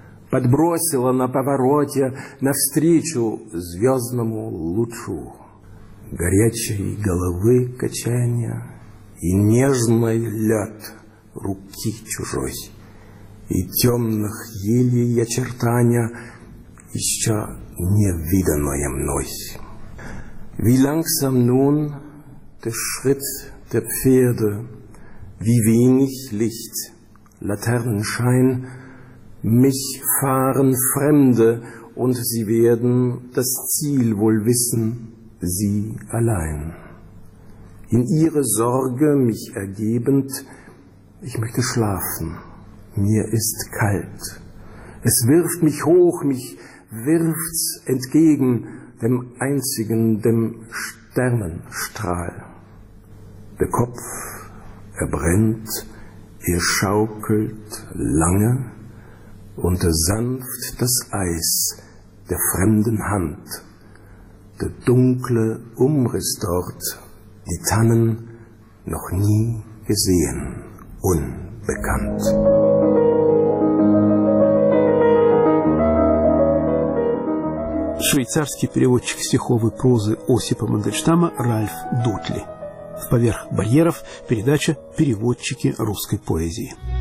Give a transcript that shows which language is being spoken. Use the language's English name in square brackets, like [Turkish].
[Russian] Подбросила на повороте навстречу звездному лучу. Горячей головы качанья и нежный лед руки чужой. И темных елей очертания еще не виданное мной. [German] Wie langsam nun der Schritt der Pferde, wie wenig Licht, Laternenschein, mich fahren Fremde, und sie werden das Ziel wohl wissen, sie allein. In ihre Sorge mich ergebend, ich möchte schlafen, mir ist kalt. Es wirft mich hoch, mich wirft's entgegen, dem einzigen, dem Sternenstrahl. Der Kopf erbrennt, er schaukelt lange und sanft das Eis der fremden Hand. Der dunkle Umriss dort, die Tannen noch nie gesehen, unbekannt. [Russian] Швейцарский переводчик стиховой прозы Осипа Мандельштама Ральф Дотли. «Поверх барьеров» – передача «Переводчики русской поэзии».